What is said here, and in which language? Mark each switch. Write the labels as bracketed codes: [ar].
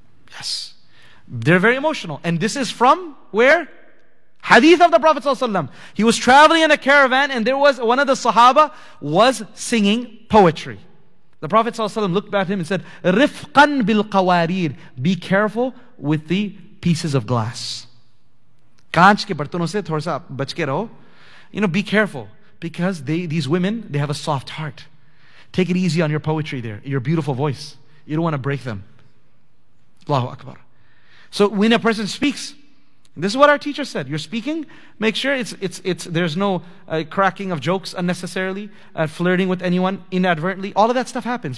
[en] Yes. They're very emotional. And this is from where? Hadith of the Prophet ﷺ. He was traveling in a caravan and there was one of the Sahaba was singing poetry. The Prophet ﷺ looked at him and said, [ar] Rifqan bil qawarir. [en] Be careful with the pieces of glass. [ur] کانچ کے برتنوں سے تھوڑا سا بچ کے رہو. [en] You know, be careful. Because these women, they have a soft heart. Take it easy on your poetry there. Your beautiful voice. You don't want to break them. Allahu Akbar. So when a person speaks, this is what our teacher said. You're speaking, make sure it's there's no cracking of jokes unnecessarily, flirting with anyone inadvertently. All of that stuff happens.